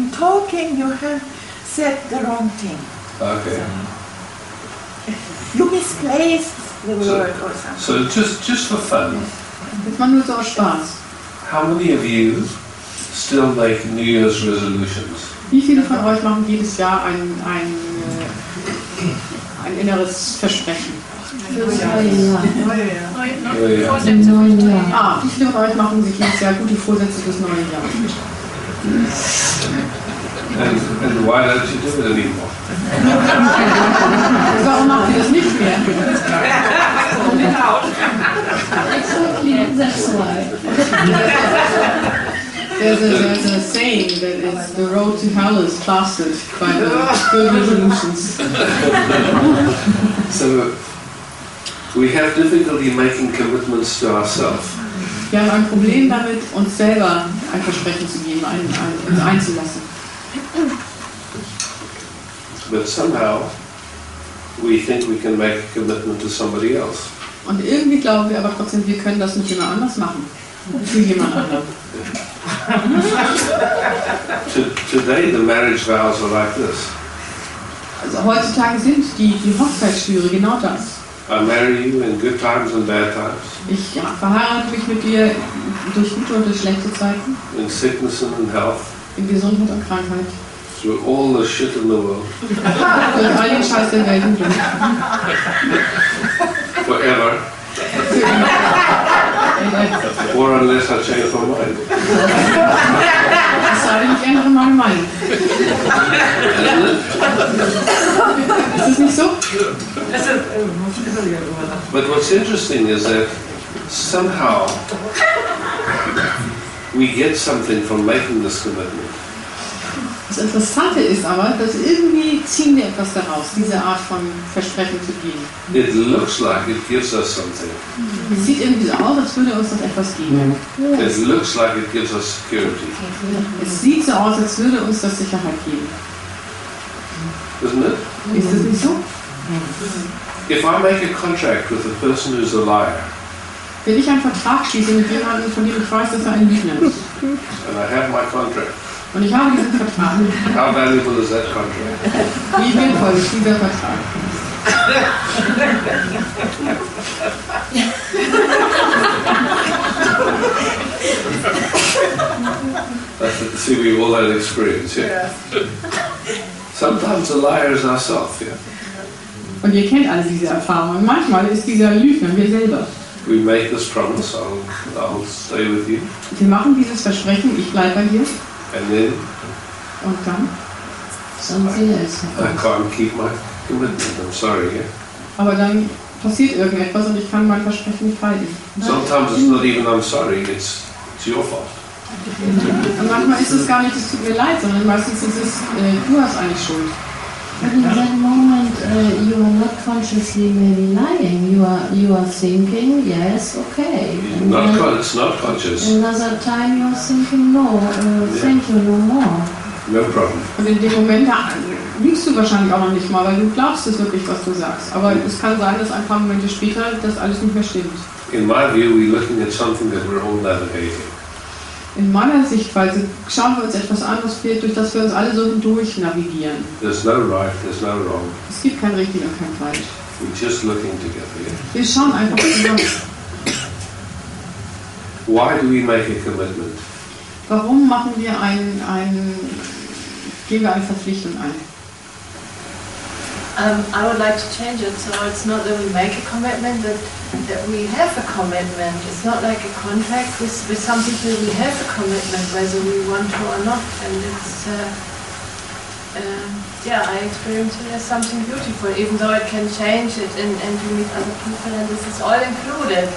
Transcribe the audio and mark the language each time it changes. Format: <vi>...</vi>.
<en>In talking you have said the wrong thing. Okay. So. You misplaced the word or something. So just for fun.</en> <de>Jetzt mal nur so Spaß.</de> <en>How many of you still make New Year's resolutions?</en> <de>Wie viele von euch machen jedes Jahr ein inneres Versprechen? Neues Jahr. Wie viele von euch machen sich jedes Jahr gute Vorsätze fürs neue Jahr?</de> <en>And why don't you do it anymore?</en> <de>Warum macht ihr das nicht mehr?</de> <en>Exactly, that's why. There's a saying that it's the road to hell is plastered by the good resolutions. So we have difficulty making commitments to ourselves.</en> <de>Wir haben ein Problem damit, uns selber ein Versprechen zu geben, uns einzulassen.</de> <en>But somehow we think we can make a commitment to somebody else.</en> <de>Und irgendwie glauben wir aber trotzdem, wir können das mit jemand anders machen. Für jemand anderen.</de> <en>Today the marriage vows are like this.</en> <de>Also heutzutage sind die Hochzeitsschwüre genau das.</de> <en>I marry you in good times and bad times.</en> <de>Ich verheirate mich mit dir durch gute und durch schlechte Zeiten.</de> <en>In sickness and in health.</en> <de>In Gesundheit und Krankheit.</de> <en>Through all the shit in the world.</en> <de>Durch all den Scheiß der Welt.</de> <en>Forever. Or unless I change my mind.</en> <de>Es sei denn, ich ändere meine Meinung. Ist es nicht so?</de> <en>But what's interesting is that somehow we get something from making this commitment.</en> <de>Das Interessante ist aber, dass irgendwie ziehen wir etwas daraus, diese Art von Versprechen zu geben.</de> <en>It looks like it gives us something.</en> <de>Es sieht irgendwie so aus, als würde uns das etwas geben.</de> <en>It looks like it gives us security.</en> <de>Es sieht so aus, als würde uns das Sicherheit geben.</de> <en>Isn't it?</en> <de>Ist das nicht so?</de> <en>If I make a contract with a person who's a liar,</en> <de>wenn ich einen Vertrag schließe mit jemandem, von dem ich weiß, dass er ein Lügner ist,</de> <en>and I have my contract,</en> <de>und ich habe diesen Vertrag.</de> <en>How valuable is that contract?</en> <de>Wie wertvoll ist dieser Vertrag?</de> <en>See, we all had experience, yeah. Sometimes a liar is ourselves, yeah.</en> <de>Und ihr kennt alle diese Erfahrungen. Manchmal ist dieser Lügner wir selber.</de> <en>We make this promise, I'll stay with you.</en> <de>Wir machen dieses Versprechen, ich bleibe bei dir.</de> <en>And then,</en> <de>und dann?</de> <en>I can't keep my commitment, I'm sorry. Yeah?</en> <de>Aber dann passiert irgendetwas und ich kann mein Versprechen nicht halten.</de> <en>Sometimes it's not even I'm sorry, it's your fault.</en> <de>Und manchmal ist es gar nicht, es tut mir leid, sondern meistens ist es, du hast eigentlich Schuld.</de> <en>But in that moment, you are not consciously maybe lying. You are thinking, yes, okay. It's not conscious. Another time you are thinking, no, thank you, no more. No problem.</en> <de>Und in dem Moment lügst du wahrscheinlich auch noch nicht mal, weil du glaubst es wirklich, was du sagst. Aber es kann sein, dass ein paar Momente später das alles nicht mehr stimmt.</de> <en>In my view, we're looking at something that we're all navigating.</en> <de>In meiner Sichtweise schauen wir uns etwas an, durch das wir uns alle so hindurch navigieren.</de> <en>There's no right, there's no wrong.</en> <de>Es gibt kein richtig und kein falsch.</de> <en>We're just looking together, yeah?</en> <de>Wir schauen einfach zusammen.</de> <en>Why do we make a commitment?</en> <de>Warum machen wir gehen wir eine Verpflichtung ein?</de> <en>I would like to change it, so it's not that we make a commitment, but that we have a commitment. It's not like a contract with some people. We have a commitment, whether we want to or not. And it's, I experience it as something beautiful, even though I can change it and you meet other people, and this is all included.</en>